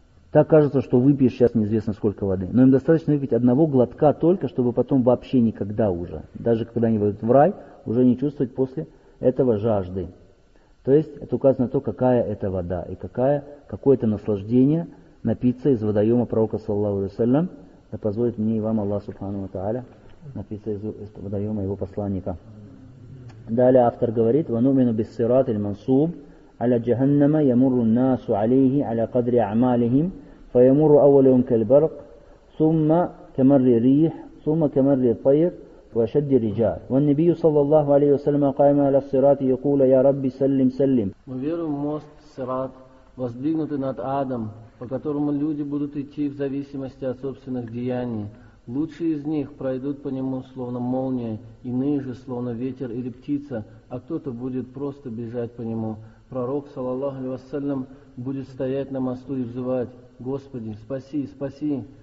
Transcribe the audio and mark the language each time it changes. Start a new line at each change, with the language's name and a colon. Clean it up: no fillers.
Russian: Так кажется, что выпьешь сейчас неизвестно сколько воды. Но им достаточно выпить одного глотка только, чтобы потом вообще никогда уже, даже когда они войдут в рай, уже не чувствовать после этого жажды. То есть это указано на то, какая это вода и какое это наслаждение напиться из водоема пророка,
Arabic: саллаллаху алейхи вассалям,
Russian: да позволит мне и вам Аллах
Arabic: субхану ва тааля
Russian: напиться из водоема его посланника. Далее автор говорит:
Arabic: وَنُؤْمِنُ بِالصِّرَاطِ الْمَنْصُوبِ عَلَى جَهَنَّمَ يَمُرُّ النَّاسُ عَلَيْهِ عَلَى قَدْرِ أَعْمَالِهِمْ فَيَمُرُّ أَوَّلُهُمْ كَالْبَرْقِ ثُمَّ كَمَرِّ الرِّيحِ ثُمَّ كَمَرِّ الطَّيْرِ وَشَدِّ الرِّجَالِ والنبي صلى الله عليه وسلم قائم على الصراط يقول يا ربي سلم سلم.
Russian: Мы веруем в мост Сират, воздвигнутый над адом, по которому люди будут идти в зависимости от собственных деяний. Лучшие из них пройдут по нему, словно молния, иные же, словно ветер или птица, а кто-то будет просто бежать по нему. Пророк,
Arabic: саллаллаху алейхи вассалям,
Russian: будет стоять на мосту и взывать: «Господи, спаси, спаси!»